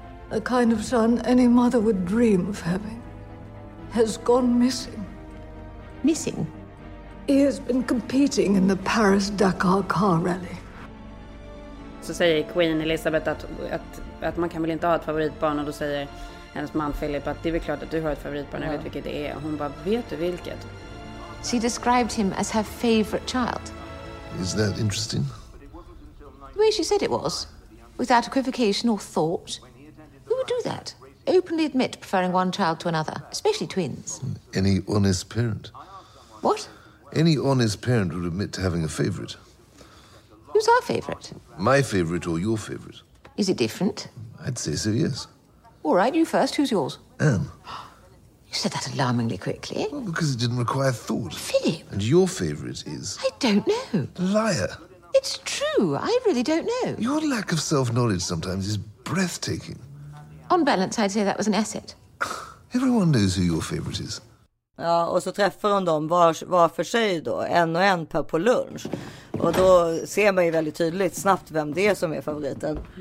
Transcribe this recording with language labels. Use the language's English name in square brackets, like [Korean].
[English] A kind of son any mother would dream of having. Has gone missing. Missing? He has been competing in the Paris-Dakar car rally. [Swedish] Så säger Queen Elizabeth att man kan väl inte ha ett favoritbarn, och då säger hennes man Philip att det är väl klart att du har ett favoritbarn, jag vet vilket det är. Hon bara, vet du vilket? [English] She described him as her favorite child. Is that interesting? The way she said it was, without equivocation or thought. Who would do that? Openly admit preferring one child to another, especially twins. Any honest parent. What? Any honest parent would admit to having a favorite. Who's our favorite? My favorite or your favorite. Is it different? I'd say so, yes. All right, you first. Who's yours? Anne. You said that alarmingly quickly. Well, because it didn't require thought. Philip. And your favourite is? I don't know. Liar. It's true. I really don't know. Your lack of self-knowledge sometimes is breathtaking. On balance, I'd say that was an asset. Everyone knows who your favourite is. [Swedish] Ja, och så träffar hon dem var för sig då, en och en på lunch. Och då ser man ju väldigt tydligt snabbt vem det är som är favoriten.